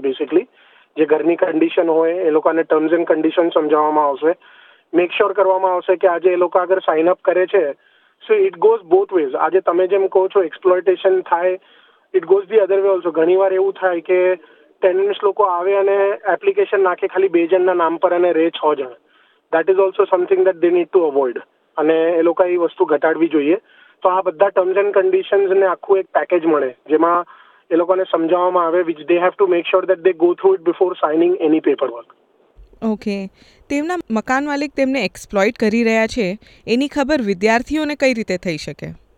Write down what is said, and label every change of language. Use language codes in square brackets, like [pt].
[gu] Basically જે ઘરની condition હોય એ લોકોને ટર્મ્સ એન્ડ કન્ડિશન સમજાવવામાં આવશે, મેક શ્યોર કરવામાં આવશે કે આજે એ લોકો અગર સાઇન અપ કરે છે. [en] So it goes both ways. [gu] આજે તમે જેમ કહો છો એક્સપ્લોઇટેશન થાય, [en] It goes the other way also. [gu] ઘણી વાર એવું થાય કે ટેનન્ટ્સ લોકો આવે અને એપ્લિકેશન નાખે ખાલી બે જણના નામ પર અને રહે છ જણ. [en] That is also something that they need to avoid. [gu] અને એ લોકો એ વસ્તુ ઘટાડવી જોઈએ. તો આ બધા ટર્મ્સ એન્ડ કન્ડિશન્સ ને આખું એક પેકેજ મળે જેમાં એ લોકોને સમજાવવામાં આવે, [en] Which they have to make sure that they go through it before signing any paperwork. [gu] Okay, તેમના મકાન માલિક તેમને એક્સપ્લોઇટ કરી રહ્યા છે એની ખબર વિદ્યાર્થીઓને કઈ રીતે થઈ શકે?